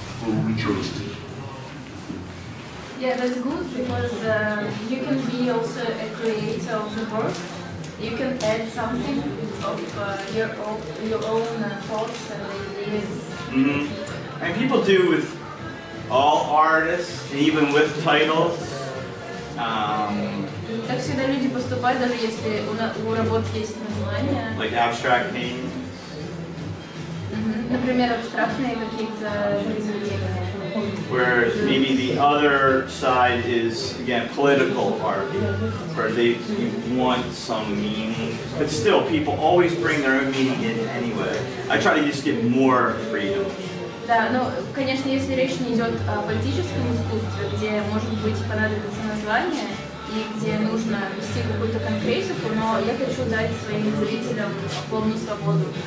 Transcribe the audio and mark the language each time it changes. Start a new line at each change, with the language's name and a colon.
English: Yeah, that's good because you can be also a creator of the work. You can add something of your own thoughts and ideas. Mm-hmm. And people do with all artists, and even with titles.
Russian: Так всегда люди поступают, даже если у работ есть название.
English: Like abstract paintings.
Russian: Например, абстрактные какие-то произведения.
English: where maybe the other side is, again, political art, where they want some meaning. But still, people always bring their own meaning in anyway. I try to just get more freedom.
Russian: Да, ну, конечно, если речь не идет о политическом искусстве, где, может быть, понадобится название, и где нужно вести какую-то конкретику, но я хочу дать своим зрителям полную свободу.